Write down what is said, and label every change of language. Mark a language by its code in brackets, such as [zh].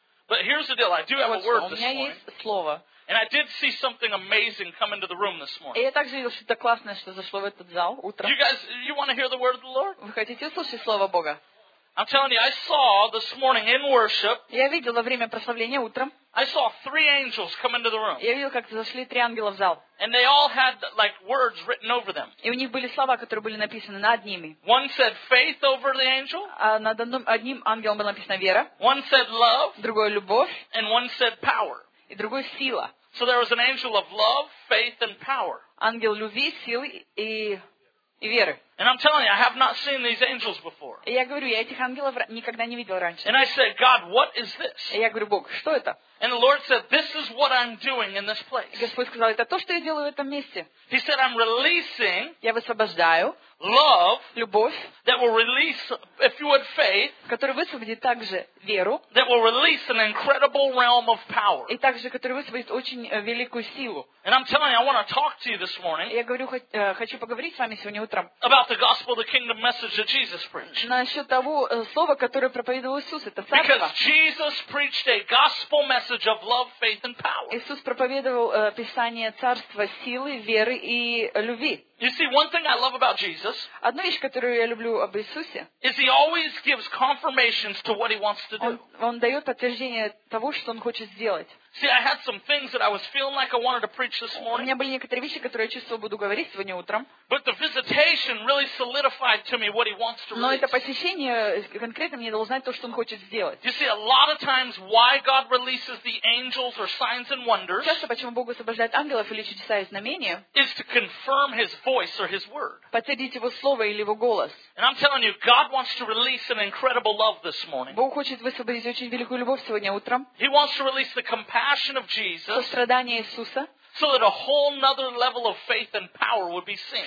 [en] But here's the deal. I do have a word this morning. [ru] У меня есть слово. [en] And I did see something amazing come into the room this morning. [ru] И я также видел что-то классное, что зашло в этот зал утром. [en] You guys, you want to hear the word of the Lord? [ru] Вы хотите услышать слово Бога? [en] I'm telling you, I saw this morning in worship. [ru] Я видел во время прославления утром. [en] I saw three angels come into the room. [ru] Я видел, как зашли три ангела в зал. [en] And they all had like words written over them. [ru] И у них были слова, которые были написаны над ними. [en] One said faith over the angel. [ru] Над одним ангелом было написано вера. [en] One said love. [ru] Другой любовь. [en] And one said power. [ru] И другой сила. [en] So there was an angel of love, faith, and power. [ru] Ангел любви, силы и веры. [en] And I'm telling you, I have not seen these angels before. [ru] Я говорю, я этих ангелов никогда не видел раньше. [en] And I said, God, what is this? [ru] Я говорю, Бог, что это? [en] And the Lord said, this is what I'm doing in this place. [ru] Господь сказал, это то, что я делаю в этом месте. [en] He said, I'm releasing. [ru] Я высвобождаю. [en] Love. [ru] Любовь. [en] That will release, if you had faith. [ru] Который высвободит также веру. [en] That will release an incredible realm of power. [ru] И также, который высвободит очень великую силу. [en] And I'm telling you, I want to talk to you this morning. [ru] Я говорю, хочу поговорить с вами сегодня утром. [en] About the gospel, the kingdom message that Jesus preached. [ru] Насчет того слова, которое проповедовал Иисус, это царство. [en] Because Jesus preached a gospel message of love, faith, and power. [ru] Иисус проповедовал писание царства силы, веры и любви. [en] You see, one thing I love about Jesus. [ru] Одна вещь, которую я люблю об Иисусе. [en] Is he always gives confirmations to what he wants to do. [ru] Он дает подтверждение того, что он хочет сделать. [en] See, I had some things that I was feeling like I wanted to preach this morning. [ru] У меня были некоторые вещи, которые я чувствовал, буду говорить сегодня утром. [en] But the visitation really solidified to me what he wants to do. [ru] Но это посещение конкретно мне дало знать то, что он хочет сделать. [en] You see, a lot of times why God releases the angels or signs and wonders. [ru] Часто почему Бог освобождает ангелов или чудеса и знамения? [en] Is to confirm his voice or his word. [ru] Подтвердить его слово или его голос. [en] And I'm telling you, God wants to release an incredible love this morning. [ru] Бог хочет высвободить очень великую любовь сегодня утром. [en] He wants to release the compassion of Jesus. [ru] Сострадание Иисуса. [en] So that a whole another level of faith and power would be seen.